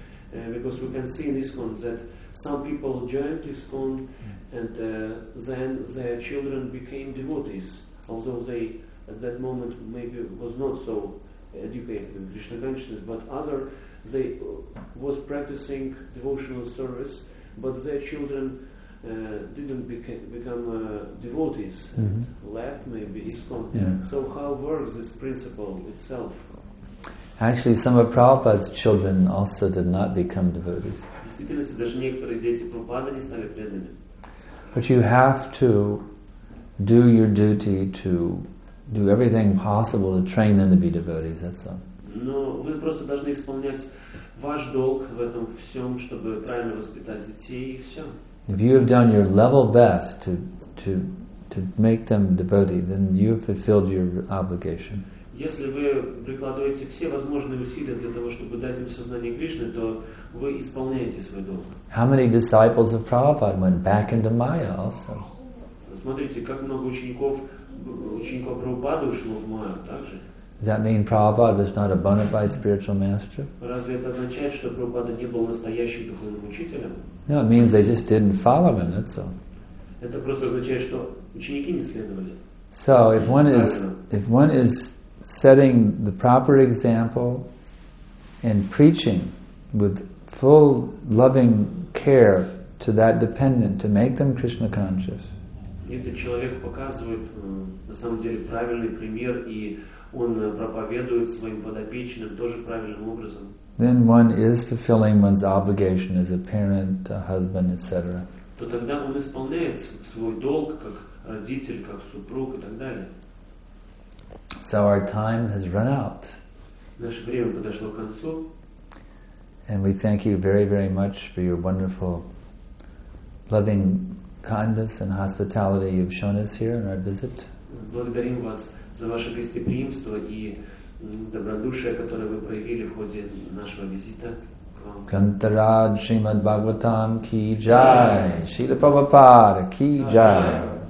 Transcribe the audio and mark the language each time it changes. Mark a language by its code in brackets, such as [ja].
[en] Because we can see in ISKCON that some people joined ISKCON and then their children became devotees, although they at that moment maybe was not so educated in Krishna consciousness, but other, they was practicing devotional service, but their children didn't become devotees, mm-hmm. and left maybe ISKCON. Yeah. So how works this principle itself? Actually, some of Prabhupada's children also did not become devotees. [ru] Действительно, даже некоторые дети Прабхупады не стали преданными. [en] But you have to do your duty to do everything possible to train them to be devotees, that's all. [ru] Но вы просто должны исполнять ваш долг в этом всем, чтобы правильно воспитать детей, и все. [en] If you have done your level best to make them devotees, then you have fulfilled your obligation. [ru] Если вы прикладываете все возможные усилия для того, чтобы дать им сознание Кришны, то вы исполняете свой долг. [en] How many disciples of Prabhupada went back into Maya also? [ru] Смотрите, как много учеников ученика Прабхупады ушло в Майю также. [en] Does that mean Prabhupada was not a bona fide spiritual master? [ru] Разве это означает, что Прабхупада не был настоящим духовным учителем? [en] No, it means they just didn't follow him, that's all. [ru] Это просто означает, что ученики не следовали. [en] So if one is setting the proper example and preaching with full loving care to that dependent, to make them Krishna conscious. [ru] Если человек показывает на самом деле правильный пример и он проповедует своим подопечным тоже правильным образом. [en] Then one is fulfilling one's obligation as a parent, a husband, etc. [ru] То тогда он исполняет свой долг как родитель, как супруг и так далее. [en] So our time has run out. [ru] Наше время подошло к концу. [en] And we thank you very, very much for your wonderful loving kindness and hospitality you've shown us here in our visit. [ru] Благодарим вас за ваше гостеприимство и добродушие, которое вы проявили в ходе нашего визита к вам. Кантарад Шримад Бхагаватам Ки Джай. Шрила Прабхупада Ки Джай.